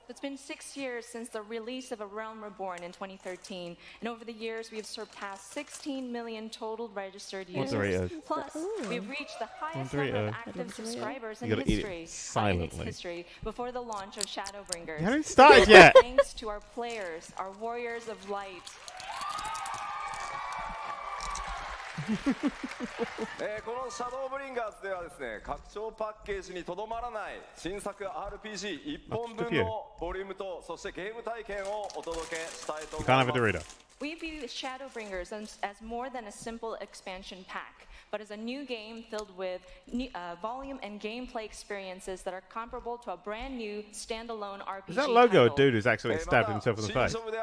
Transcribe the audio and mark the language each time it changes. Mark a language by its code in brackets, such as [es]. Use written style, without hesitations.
[en] It's been 6 years since the release of A Realm Reborn in 2013, and over the years we have surpassed 16 million total registered users. Plus, we've reached the highest number of active subscribers in history. Before the launch of Shadowbringers. You haven't started yet. Thanks to our players, our warriors of light. [ja] このシャドーブリンガーズではですね、拡張パッケージにとどまらない新作RPG1本分のボリュームと、そしてゲーム体験をお届けしたいと思います。 [en] We view Shadowbringers as more than a simple expansion pack, but as a new game filled with volume and gameplay experiences that are comparable to a brand new standalone RPG. Is that logo title. Dude is actually stabbed himself in the face?